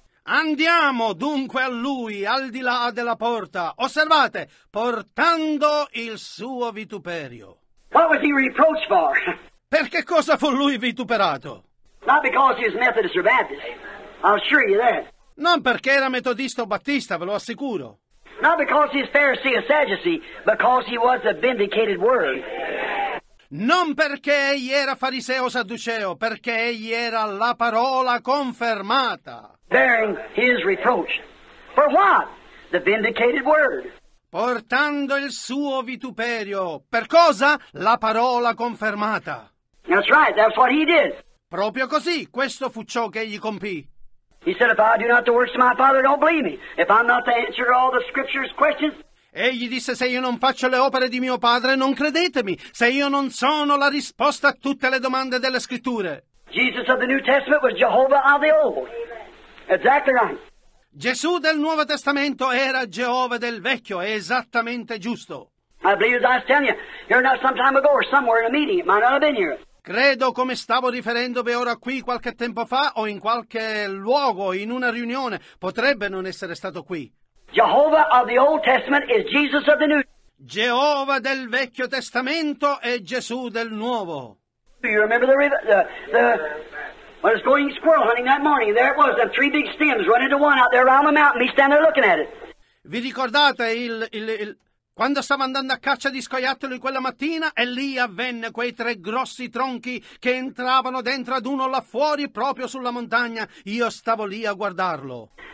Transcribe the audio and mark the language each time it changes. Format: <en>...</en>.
<it>Andiamo dunque a lui, al di là della porta. Osservate, portando il suo vituperio.</it> <en>What was he reproached for?</en> <it>Perché cosa fu lui vituperato?</it> <en>Not because he was Methodist or Baptist. I'll assure you that.</en> <it>Non perché era metodista o battista, ve lo assicuro.</it> <en>Not because he was Pharisee or Sadducee, because he was the vindicated word.</en> <it>Non perché egli era fariseo o sadduceo, perché egli era la parola confermata.</it> <en>Bearing his reproach. For what? The vindicated word.</en> <it>Portando il suo vituperio. Per cosa? La parola confermata.</it> <en>That's right, that's what he did.</en> <it>Proprio così, questo fu ciò che egli compì.</it> <en>He said, if I do not the works of my father, don't believe me. If I'm not the answer to all the scripture's questions.</en> <it>Egli disse, se io non faccio le opere di mio padre, non credetemi. Se io non sono la risposta a tutte le domande delle scritture.</it> <en>Jesus of the New Testament was Jehovah of the Old. Exactly right.</en> <it>Gesù del Nuovo Testamento era Geova del Vecchio, è esattamente giusto.</it> <en>I believe as I was telling you, here not some time ago or somewhere in a meeting, it might not have been here.</en> <it>Credo, come stavo riferendovi ora qui qualche tempo fa, o in qualche luogo, in una riunione, potrebbe non essere stato qui.</it> <en>Jehovah of the Old Testament is Jesus of the New.</en> <it>Geova del Vecchio Testamento è Gesù del Nuovo.</it> <en>Do you remember when I was going squirrel hunting that morning, there it was, the three big stems running to one out there around the mountain, me standing there looking at it.</en> <it>Vi ricordate il quando stavo andando a caccia di scoiattoli quella mattina, e lì avvenne quei tre grossi tronchi che entravano dentro ad uno là fuori, proprio sulla montagna. Io stavo lì a guardarlo.</it>